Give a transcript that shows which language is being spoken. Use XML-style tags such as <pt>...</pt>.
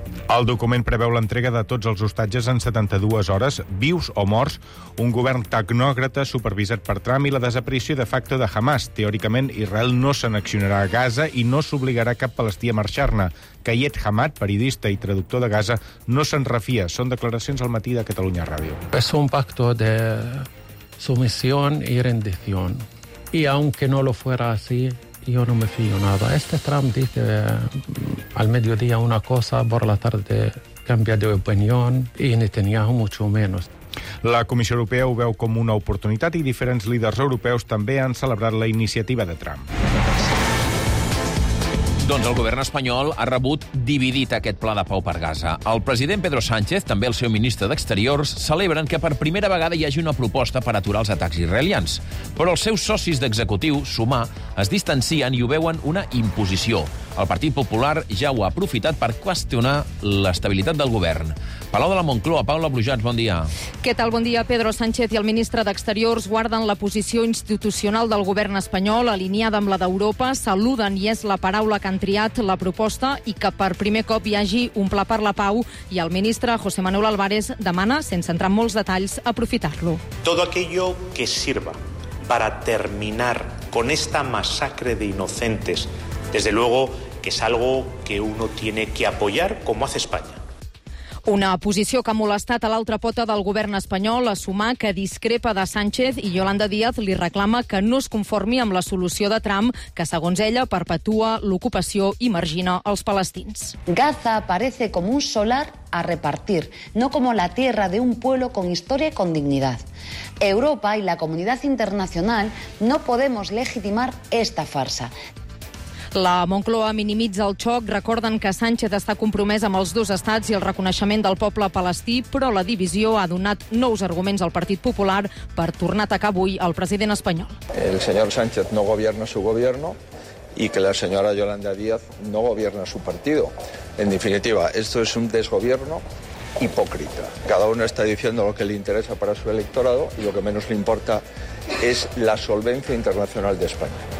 <ca>El document preveu l'entrega de tots els hostatges en 72 hores, vius o morts, un govern tecnòcrata supervisat per Trump i la desaparició de facto de Hamas. Teòricament, Israel no s'annexionarà a Gaza i no s'obligarà cap palestí a marxar-ne. Kayet Hamad, periodista i traductor de Gaza, no se'n refia. Són declaracions al matí de Catalunya Ràdio. És un pacto de submissió i rendició.</ca> <es>I, aunque no lo fuera así, yo no me fío nada. Este Trump dice al mediodía una cosa, por la tarde cambia de opinión, y Netanyahu mucho menos.</es> <ca>La Comissió Europea ho veu com una oportunitat i diferents líders europeus també han celebrat la iniciativa de Trump. Doncs el govern espanyol ha rebut dividit aquest pla de pau per Gaza. El president Pedro Sánchez, també el seu ministre d'Exteriors, celebren que per primera vegada hi hagi una proposta per aturar els atacs israelians. Però els seus socis d'executiu, Sumar, es distancien i ho veuen una imposició. El Partit Popular ja ho ha aprofitat per qüestionar l'estabilitat del govern. Palau de la Moncloa, Paula Brujats, bon dia. Què tal? Bon dia. Pedro Sánchez i el ministre d'Exteriors guarden la posició institucional del govern espanyol, alineada amb la d'Europa, saluden, i és la paraula que han triat, la proposta, i que per primer cop hi hagi un pla per la pau, i el ministre José Manuel Álvarez demana, sense entrar en molts detalls, aprofitar-lo.</ca> <es>Todo aquello que sirva para terminar con esta masacre de inocentes, desde luego que es algo que uno tiene que apoyar como hace España.</es> <ca>Una posició que ha molestat a l'altra pota del govern espanyol, a Sumar, que discrepa de Sánchez, i Yolanda Díaz li reclama que no es conformi amb la solució de Trump, que, segons ella, perpetua l'ocupació i margina els palestins.</ca> <es>Gaza aparece com un solar a repartir, no como la tierra de un pueblo con historia y con dignidad. Europa y la comunidad internacional no podemos legitimar esta farsa.</es> <ca>La Moncloa minimitza el xoc, recorden que Sánchez està compromès amb els dos estats i el reconeixement del poble palestí, però la divisió ha donat nous arguments al Partit Popular per tornar a atacar avui el president espanyol.</ca> <es>El senyor Sánchez no gobierna su gobierno y que la señora Yolanda Díaz no gobierna su partido. En definitiva, esto es un desgobierno hipócrita. Cada uno está diciendo lo que le interesa para su electorado y lo que menos le importa es la solvencia internacional de España.</es>